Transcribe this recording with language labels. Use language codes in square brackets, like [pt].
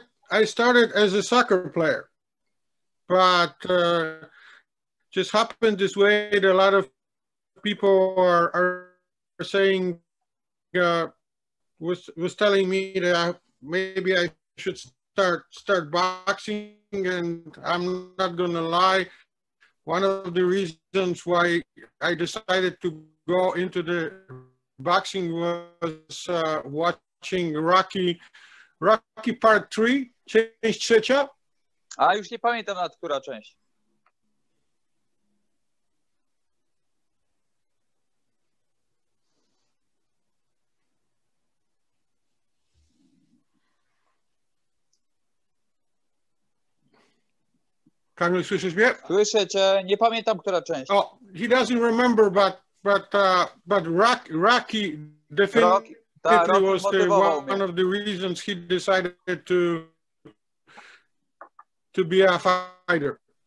[en] I started as a soccer player, but just happened this way that a lot of people are saying, was telling me that maybe I should start boxing, and I'm not gonna lie, one of the reasons why I decided to go into the boxing was watching Rocky Part 3. [pl] Część trzecia? A już nie pamiętam, nad która część. Kamil, słyszysz mnie? Słyszę cię. Nie pamiętam, która część. [en] Oh, he doesn't remember, but Rocky definitely was one of the reasons he decided to be a fighter.